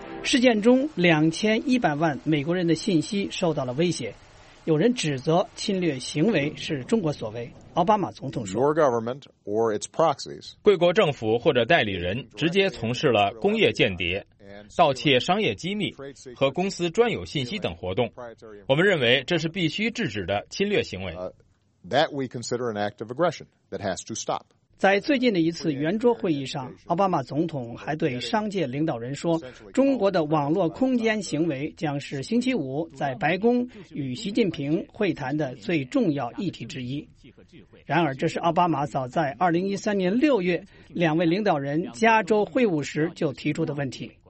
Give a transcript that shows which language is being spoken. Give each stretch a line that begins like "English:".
Chinese: 事件中2100万美国人的信息受到了威胁，有人指责侵略行为是中国所为。奥巴马总统说
English: Your government or its proxies.
Chinese: 贵国政府或者代理人直接从事了工业间谍、盗窃商业机密和公司专有信息等活动，我们认为这是必须制止的侵略行为。
English: That we consider an act of aggression that has to stop.
Chinese: 在最近的一次圆桌会议上，奥巴马总统还对商界领导人说，中国的网络空间行为将是星期五在白宫与习近平会谈的最重要议题之一。然而，这是奥巴马早在2013年6月两位领导人加州会晤时就提出的问题。